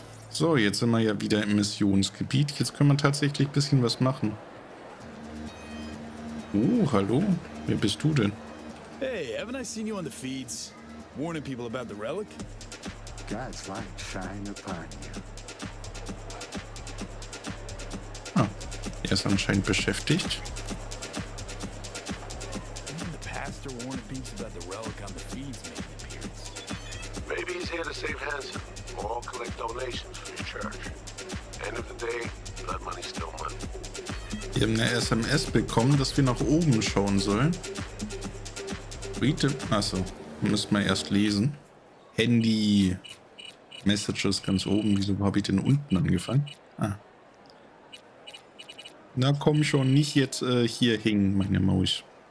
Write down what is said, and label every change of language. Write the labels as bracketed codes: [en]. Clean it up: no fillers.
[de] So, jetzt sind wir ja wieder im Missionsgebiet. Jetzt können wir tatsächlich ein bisschen was machen. Hallo. Wer bist du denn? [en] Hey, haven't I seen you on the feeds? Warning people about the relic? God's light shine upon you. [de] Ah, er ist anscheinend beschäftigt. [en] Even the pastor warned people about the relic on the feeds made an appearance. Maybe he's here to save Hansen. Or collect donations for his church. End of the day, blood money's still money. [de] Wir haben eine SMS bekommen, dass wir nach oben schauen sollen. Achso, müssen wir erst lesen. Handy. Messages ganz oben. Wieso habe ich denn unten angefangen? Ah. Na komm schon, nicht jetzt hier hängen, meine Maus.